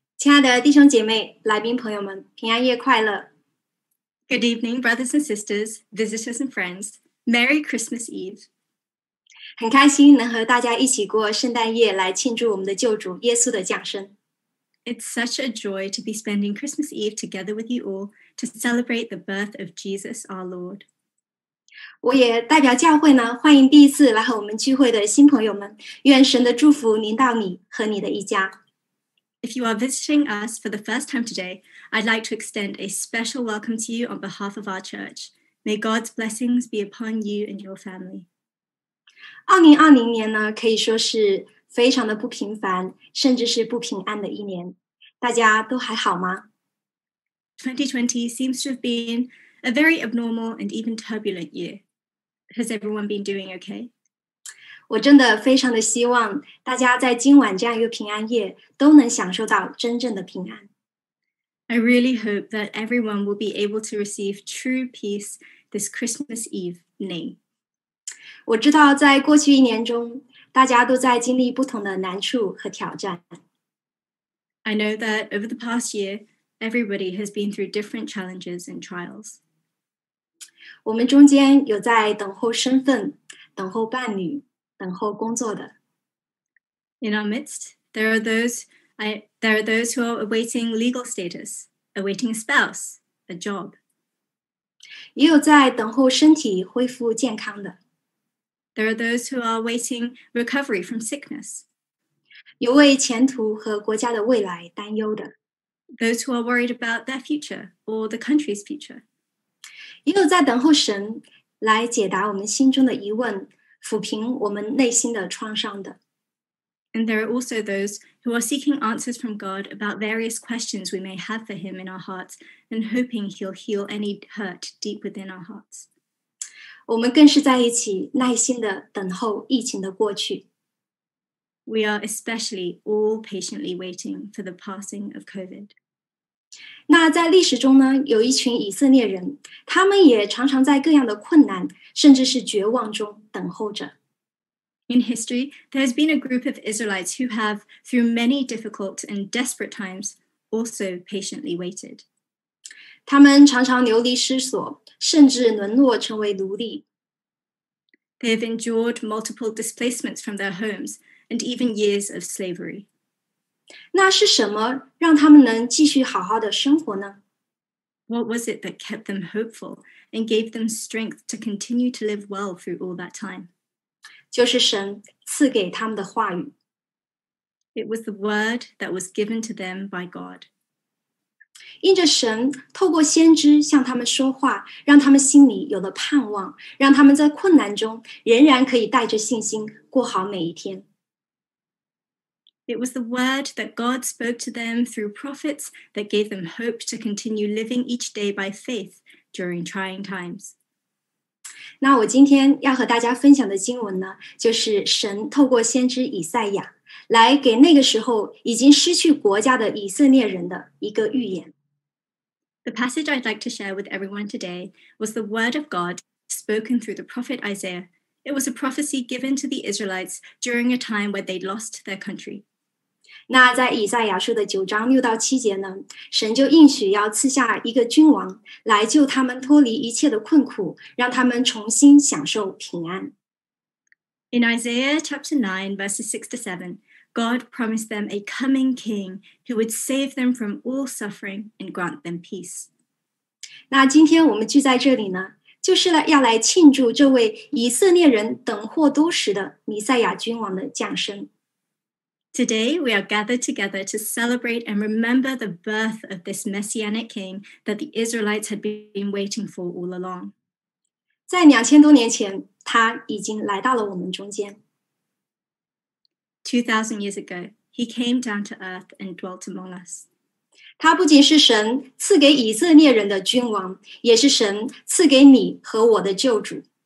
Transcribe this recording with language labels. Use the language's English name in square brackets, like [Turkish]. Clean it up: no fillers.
[Chinese] 亲爱的弟兄姐妹、来宾朋友们，平安夜快乐 [English] ！Good evening, brothers and sisters, visitors and friends. Merry Christmas Eve. [Chinese] 很开心能和大家一起过圣诞夜，来庆祝我们的救主耶稣的降生。 [English] It's such a joy to be spending Christmas Eve together with you all to celebrate the birth of Jesus, our Lord. [Chinese] 我也代表教会呢，欢迎第一次来和我们聚会的新朋友们，愿神的祝福临到你和你的一家。 [English] If you are visiting us for the first time today, I'd like to extend a special welcome to you on behalf of our church. May God's blessings be upon you and your family. [Chinese] 2020年呢，可以说是非常的不平凡，甚至是不平安的一年。大家都还好吗？ [English] 2020 seems to have been a very abnormal and even turbulent year. Has everyone been doing okay? [Chinese] 我真的非常的希望大家在今晚这样一个平安夜都能享受到真正的平安。 [English] I really hope that everyone will be able to receive true peace this Christmas Eve night. [Chinese] 我知道在过去一年中，大家都在经历不同的难处和挑战。 [English] I know that over the past year, everybody has been through different challenges and trials. [Chinese] 我们中间有在等候身份，等候伴侣。等候工作的。 [English] In our midst, there are those who are awaiting legal status, awaiting a spouse, a job. [Chinese] 也有在等候身体恢复健康的。 [English] There are those who are awaiting recovery from sickness. [Chinese] 有为前途和国家的未来担忧的。 [English] Those who are worried about their future or the country's future. [Chinese] 也有在等候神来解答我们心中的疑问。抚平我们内心的创伤的。 [English] And there are also those who are seeking answers from God about various questions we may have for him in our hearts and hoping he'll heal any hurt deep within our hearts. [Chinese] 我们更是在一起耐心地等候疫情的过去。 [English] We are especially all patiently waiting for the passing of COVID. [Chinese] 那在历史中呢，有一群以色列人，他们也常常在各样的困难甚至是绝望中等候着。 [English] In history, there has been a group of Israelites who have, through many difficult and desperate times, also patiently waited. [Chinese] 他们常常流离失所，甚至沦落成为奴隶。 [English] They have endured multiple displacements from their homes and even years of slavery. [Chinese] 那是什么让他们能继续好好的生活呢？ [English] What was it that kept them hopeful and gave them strength to continue to live well through all that time? [Chinese] 就是神赐给他们的话语。 [English] It was the word that was given to them by God. [Chinese] 因着神透过先知向他们说话，让他们心里有了盼望，让他们在困难中仍然可以带着信心过好每一天。 [English] It was the word that God spoke to them through prophets that gave them hope to continue living each day by faith during trying times. [Chinese] 那我今天要和大家分享的经文呢，就是神透过先知以赛亚来给那个时候已经失去国家的以色列人的一个预言。 [English] The passage I'd like to share with everyone today was the word of God spoken through the prophet Isaiah. It was a prophecy given to the Israelites during a time when they'd lost their country. [Chinese] 那在以赛亚书的九章六到七节呢，神就应许要赐下一个君王来救他们脱离一切的困苦，让他们重新享受平安。 [English] In Isaiah chapter 9, verses 6 to 7, God promised them a coming king who would save them from all suffering and grant them peace. [Chinese] 那今天我们聚在这里呢，就是要来庆祝这位以色列人等候多时的弥赛亚君王的降生。 [English] Today we are gathered together to celebrate and remember the birth of this messianic king that the Israelites had been waiting for all along. [Chinese] 在2000多年前，他已经来到了我们中间。 [English] 2000 years ago, he came down to earth and dwelt among us. [Chinese] 他不仅是神赐给以色列人的君王，也是神赐给你和我的救主。